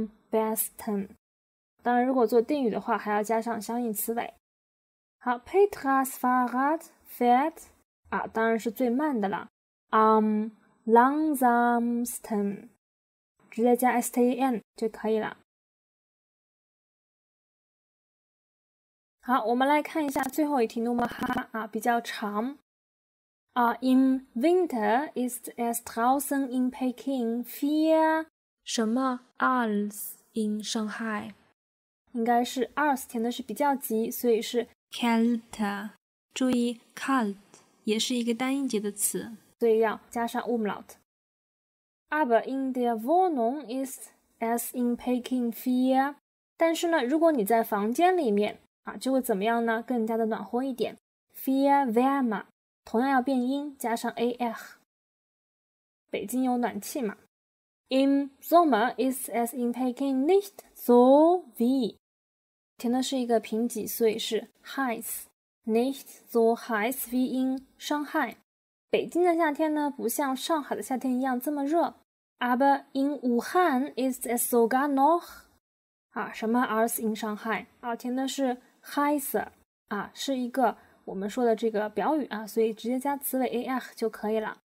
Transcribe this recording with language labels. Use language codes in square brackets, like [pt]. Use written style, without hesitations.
[zh] besten 当然如果做定语的话还要加上相应词尾好 [de] Petra's Fahrrad fährt [zh] 啊，当然是最慢的了 langsamsten 直接加 sten 就可以了好我们来看一下最后一题 Nummer H 啊比较长。 [de] Im Winter ist es draußen in Peking viel [zh] 什么 [de] als in Shanghai? [zh] 应该是 als 填的是比较级所以是 [de] kälter。 [zh] 注意 kalt 也是一个单音节的词。所以要加上 umlaut。 [de] Aber in der Wohnung ist es in Peking viel [zh] 但是呢如果你在房间里面啊，就会怎么样呢？更加的暖和一点 ， [de] viel wärmer， [zh] 同样要变音，加上 ach。北京有暖气嘛 [de] ？Im Sommer ist es in Peking nicht so wie， [zh] 填的是一个平级，所以是 [de] heiß， nicht so heiß wie in Shanghai。 [zh] 北京的夏天呢，不像上海的夏天一样这么热。 [de] Aber in Wuhan ist es sogar noch。 [zh] 啊，什么 [de] als in Shanghai [zh] 啊，填的是 heißer 啊，是一个我们说的这个表语啊，所以直接加词尾 ach 就可以了。